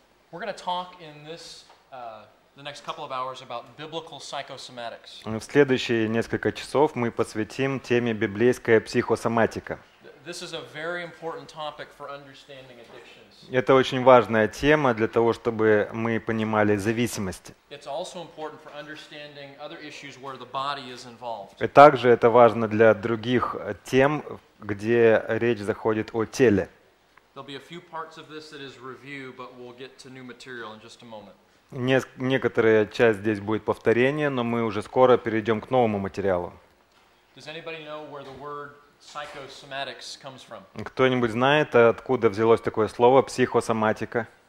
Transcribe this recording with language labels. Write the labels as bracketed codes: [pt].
[en] We're going to talk in this the next couple of hours about biblical psychosomatics. [ru] В следующие несколько часов мы посвятим теме библейская психосоматика. [en] This is a very important topic for understanding addictions. [ru] Это очень важная тема для того, чтобы мы понимали зависимости. [en] It's also important for understanding other issues where the body is involved. [ru] И также это важно для других тем, где речь заходит о теле. [en] There'll be a few parts of this that is review, but we'll get to new material in just a moment. [ru] Некоторая часть здесь будет повторение, но мы уже скоро перейдем к новому материалу. [en] Does anybody know where the word psychosomatics comes from? [ru] Кто-нибудь знает, откуда взялось такое слово психосоматика?